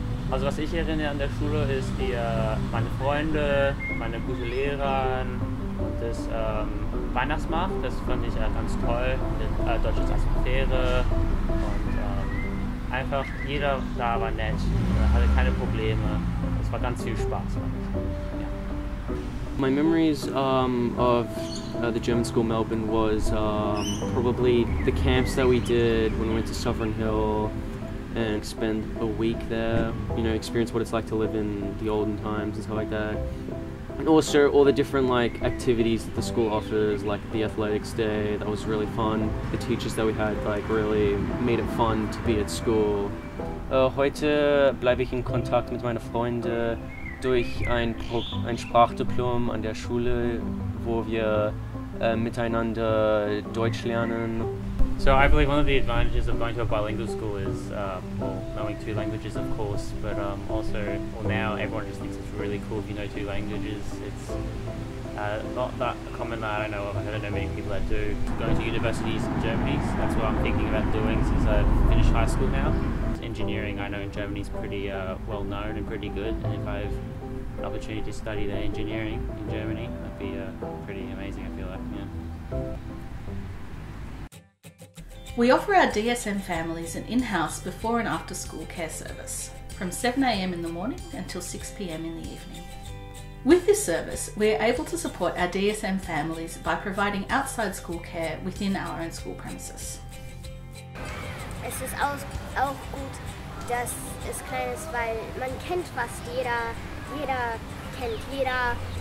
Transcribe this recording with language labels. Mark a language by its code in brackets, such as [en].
[de] Also was ich erinnere an der Schule ist meine Freunde, meine guten Lehrer und das Weihnachtsmarkt. Das fand ich ganz toll, deutsche Atmosphäre und einfach jeder da war nett, hatte keine Probleme. Es war ganz viel Spaß. [en] My memories of the German school Melbourne was probably the camps that we did when we went to Sovereign Hill and spend a week there, you know, experience what it's like to live in the olden times and stuff like that. And also all the different like activities that the school offers, like the athletics day, that was really fun. The teachers that we had like really made it fun to be at school. [de] Heute bleibe ich in Kontakt mit meinen Freunden durch ein Sprachdiplom an der Schule, wo wir miteinander Deutsch lernen. [en] So I believe one of the advantages of going to a bilingual school is knowing two languages, of course, but also, well, now everyone just thinks it's really cool if you know two languages. It's not that common, I don't know, I don't know many people that do. Going to universities in Germany, so that's what I'm thinking about doing since I've finished high school now. Engineering, I know in Germany is pretty well known and pretty good, and if I have an opportunity to study the engineering in Germany, that'd be pretty amazing, I feel like, yeah. We offer our DSM families an in-house before and after school care service from 7 a.m. in the morning until 6 p.m. in the evening. With this service, we are able to support our DSM families by providing outside school care within our own school premises. [de] Es ist auch gut, dass es klein ist, weil man kennt fast jeder kennt jeder.